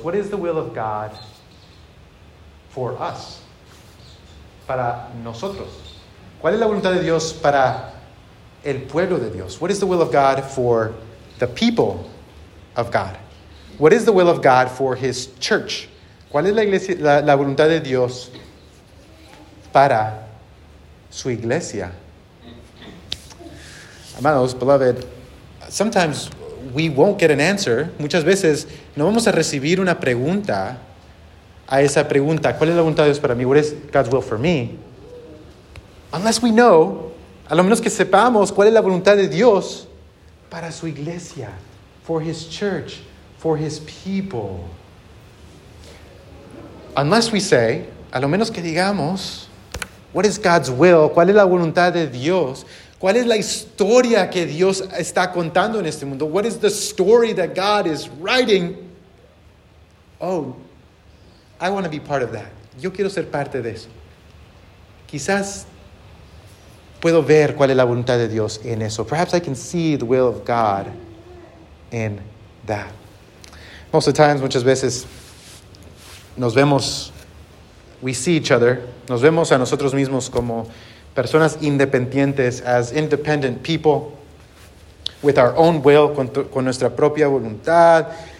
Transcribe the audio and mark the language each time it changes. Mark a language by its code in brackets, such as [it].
[en] What is the will of God for us? [es] Para nosotros. ¿Cuál es la voluntad de Dios para el pueblo de Dios? [en] What is the will of God for the people of God? What is the will of God for his church? [es] ¿Cuál es la iglesia, la voluntad de Dios para su iglesia? [en] Amados, beloved, sometimes we won't get an answer. [es] Muchas veces no vamos a recibir una pregunta a esa pregunta. ¿Cuál es la voluntad de Dios para mí? [en] What is God's will for me? Unless we know, [es] a lo menos que sepamos cuál es la voluntad de Dios para su iglesia, [en] for his church, for his people. Unless we say, [es] a lo menos que digamos, [en] what is God's will? [es] ¿Cuál es la voluntad de Dios? ¿Cuál es la historia que Dios está contando en este mundo? [en] What is the story that God is writing? Oh, I want to be part of that. [es] Yo quiero ser parte de eso. Quizás puedo ver cuál es la voluntad de Dios en eso. [en] Perhaps I can see the will of God in that. Most of the times, [es] muchas veces, nos vemos, [en] we see each other, [es] nos vemos a nosotros mismos como personas independientes, [en] as independent people, with our own will, [es] con nuestra propia voluntad.